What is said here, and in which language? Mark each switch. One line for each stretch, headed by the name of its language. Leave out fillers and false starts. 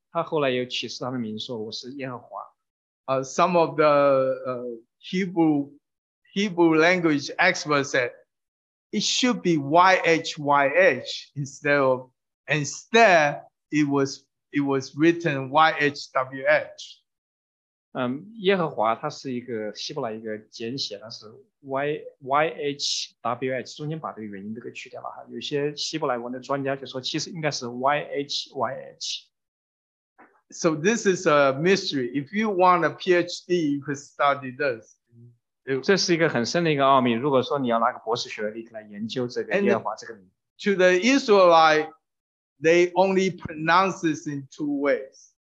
Chinese: 所以神说我是自由拥有的，他后来又启示他的名说我是耶和华。
English: Some of the Hebrew language experts said it should be YHYH instead of it was written YHWH.
Chinese: 耶和华它是一个希伯来一个简写，但是YHWH 中间把这个元音都给去掉了哈。有些希伯来文的专家就说，其实应该是 YHYH。
English: So this is a mystery. If you want a PhD, you could study this.
Chinese: 这是一个很深的一个奥秘。如果说你要拿个博士学历来研究这个耶和华这个名字。
English: To the Israelite, they only pronounce this in two ways.